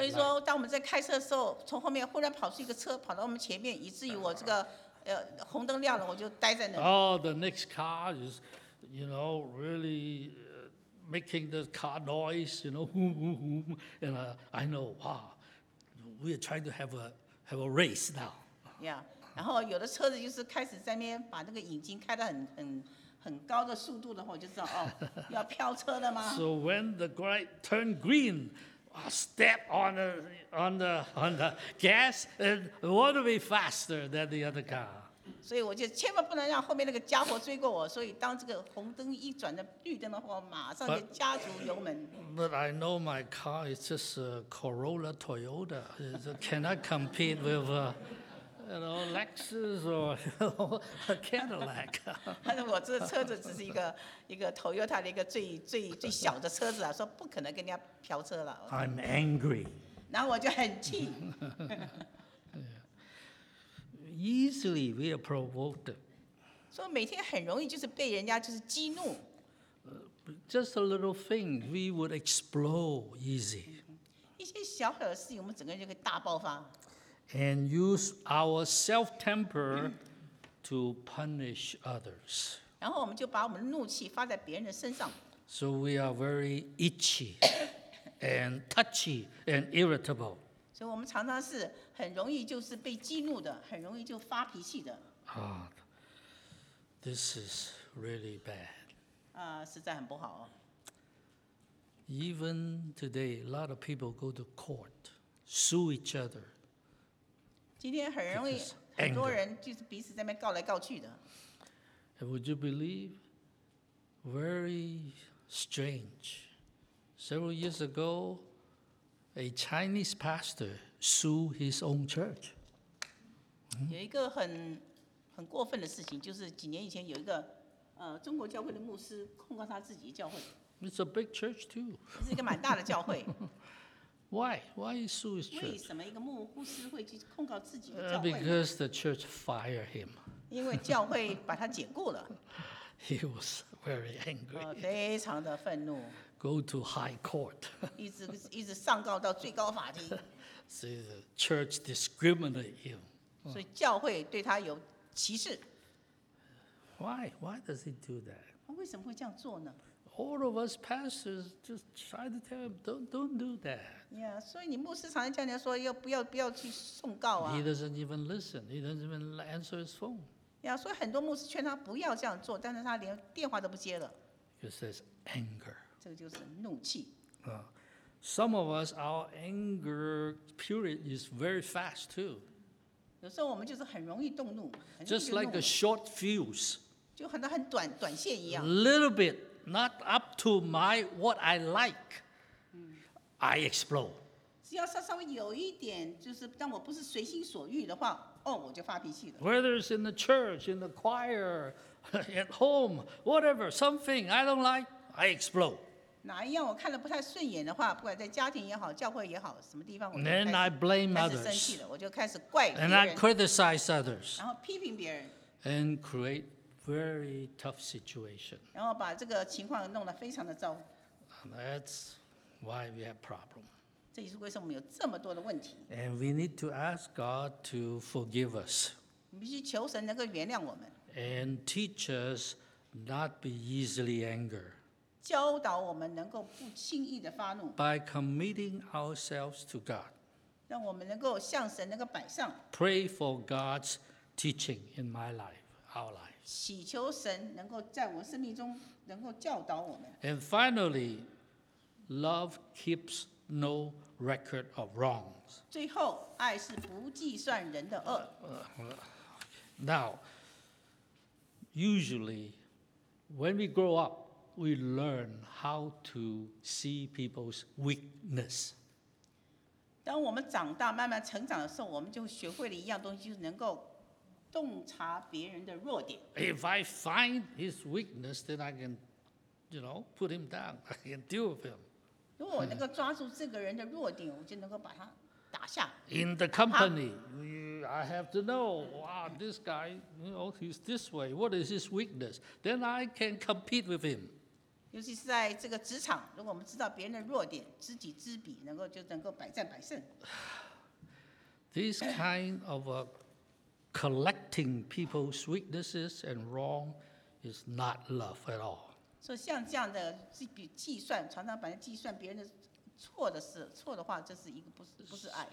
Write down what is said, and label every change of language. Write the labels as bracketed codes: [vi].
[zh] 所以说，当我们在开车的时候，从后面忽然跑出一个车，跑到我们前面，以至于我这个红灯亮了，我就待在那里。 [en] Oh, the next car is, you know, really. Making the car noise, you know, whoom, whoom, whoom. And I know, wow, we are trying to have a race now. Yeah. [zh] 然后有的车子就是开始在那边把那个引擎开得很高的速度的话，我就知道哦，要飘车了吗 [en] ？So when the light turn green, I step on the gas and want to be faster than the other car. [zh] 所以我就千万不能让后面那个家伙追过我。所以当这个红灯一转的绿灯的话，马上就加足油门。 [en] But I know my car is just a Corolla Toyota. It cannot compete with, Lexus or a Cadillac. [zh] 我这车子只是一个 Toyota 的一个最小的车子啊，说不可能跟人家飙车了。 [en] I'm angry. [zh] 然后我就很气。 [en] Easily we are provoked. [zh] 所以每天很容易就是被人家就是激怒。 [en] Just a little thing, we would explode easy. [zh] 一些小小的事情，我们整个人就会大爆发。 [en] And use our self-temper to punish others. [zh] 然后我们就把我们的怒气发在别人的身上。 [en] So we are very itchy and touchy and irritable. [zh] 所以我们常常是很容易就是被激怒的，很容易就发脾气的。 [en] This is really bad. [zh] 啊，实在很不好哦。 [en] Even today, a lot of people go to court, sue each other. [zh] 今天很容易，很多人就是彼此在那边告来告去的。 [en] And would you believe? Very strange. Several years ago, a Chinese pastor sued his own church. [zh] 有一个很过分的事情，就是几年以前有一个中国教会的牧师控告他自己的教会。 [en] It's a big church too. [zh] 是一个蛮大的教会。 [en] Why he sued his church? [zh] 为什么一个牧师会去控告自己的教会？ [en] Because the church fired him. [zh] 因为教会把他解雇了。 [en] He was very angry. [zh] 非常的愤怒。 [en] Go to high court. [zh] 一直上告到最高法庭。 [en] So the church discriminated him. [zh] 所以教会对他有歧视。 [en] Why does he do that? [zh] 他为什么会这样做呢？ [en] All of us pastors just try to tell him, don't do that. [zh] Yeah, 所以你牧师常常叫人家说要不要去送告啊。 [en] He doesn't even listen. He doesn't even answer his phone. [zh] Yeah, 所以很多牧师劝他不要这样做，但是他连电话都不接了。 [en] It says anger. [zh] 这个就是怒气。 [en] Some of us, our anger period is very fast too. [zh] 有时候我们就是很容易动怒。 [en] Just like a short fuse. [zh] 就很像很短线一样。 [en] Little bit, not up to my what I like. I explode. [zh] 只要稍微有一点，就是让我不是随心所欲的话。我就发脾气了。 [en] Whether it's in the church, in the choir, at home, whatever, something I don't like, I explode. [zh] 哪一样我看得不太顺眼的话，不管在家庭也好，教会也好，什么地方我就开始 [en] Then I blame others. [zh] 开始生气了，我就开始怪别人。 [en] And I criticize others. [zh] 然后批评别人。 [en] And create very tough situation. [zh] 然后把这个情况弄得非常的糟。 [en] That's why we have problems. [zh] 这也是为什么我们有这么多的问题。 [en] And we need to ask God to forgive us. [zh] 我们必须求神能够原谅我们。 [en] And teach us not be easily angered. [zh] 教导我们能够不轻易的发怒。 [en] By committing ourselves to God. [zh] 让我们能够向神能够摆上。 [en] Pray for God's teaching in my life, our life. [zh] 祈求神能够在我生命中能够教导我们。 [en] And finally, love keeps. No record of wrongs. [zh] 最后，爱是不计算人的恶。 [en] Now, usually, when we grow up, we learn how to see people's weakness. [zh] 当我们长大，慢慢成长的时候，我们就学会了一样东西，就是能够洞察别人的弱点。 [en] If I find his weakness, then I can, you know, put him down. I can deal with him. [zh] 如果我能够抓住这个人的弱点，我就能够把他打下。 [en] In the company, I have to know, wow, this guy, you know, he's this way. What is his weakness? Then I can compete with him. [zh] 尤其是在这个职场，如果我们知道别人的弱点，知己知彼，能够百战百胜。 [en] This kind of a collecting people's weaknesses and wrong is not love at all. [zh] 所以像这样的计算，常常把人计算别人的错的事、错的话，这是一个不是爱。